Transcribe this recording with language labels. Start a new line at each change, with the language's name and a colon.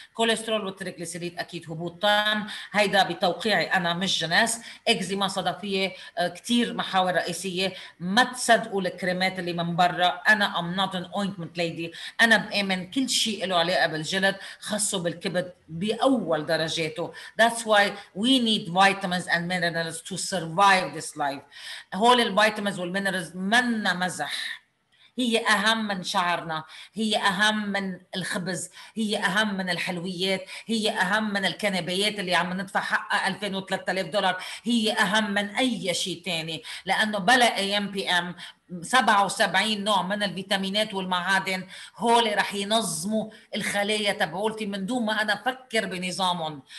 Arabic: كوليسترول والتريكليسيريد أكيد هبوط تام هيدا بتوقيعي أنا مش جناس. إكزيما صدفية كتير محاور رئيسية ما تصدقوا الكريمات اللي من برا. أنا
English: I'm not an ointment lady
Arabic: أنا بأمن كل شيء له علاقة بالجلد خاصه بالكبد بأول درجاته.
English: That's why we need vitamins and minerals to survive this life.
Arabic: هول الفيتامينز والمينرالز منا مزح هي أهم من شعرنا هي أهم من الخبز هي أهم من الحلويات هي أهم من الكنبيات اللي عم ندفع حقها 2000 و 3000 دولار هي أهم من أي شيء تاني لأنه بلا AMPM 77 نوع من الفيتامينات والمعادن هولي رح ينظموا الخلايا تبعولتي من دون ما أنا أفكر بنظامهم.